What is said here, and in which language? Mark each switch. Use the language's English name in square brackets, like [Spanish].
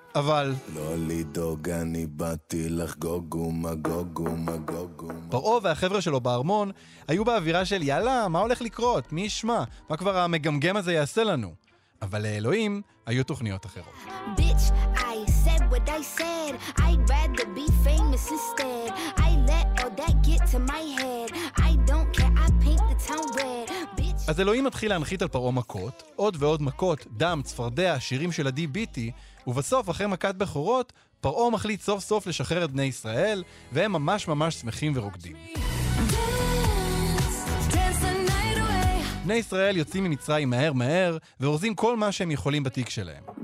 [Hebrew] אבל לא לדאוג, אני באתי לחגוג ומגוג ומגוג ומגוג. פרעו והחבר'ה שלו בארמון היו באווירה של יאללה, מה הולך לקרות? מי ישמע? מה כבר המגמגם הזה יעשה לנו? אבל לאלוהים היו תוכניות אחרות. [English] Bitch, I said what I said. I'd rather be famous instead. I let all that get to my head. I don't care, I paint the town red. Bitch. [Hebrew] אז אלוהים מתחיל להנחית על פרעו מכות, עוד ועוד מכות, דם, צפרדע, שירים של עדי ביטי, ובסוף, אחרי מכת בחורות, פרעו מחליט סוף סוף לשחרר את בני ישראל, והם ממש ממש שמחים ורוקדים. בני ישראל יוצאים ממצרים מהר מהר ואורזים כל מה שהם יכולים בתיק שלהם.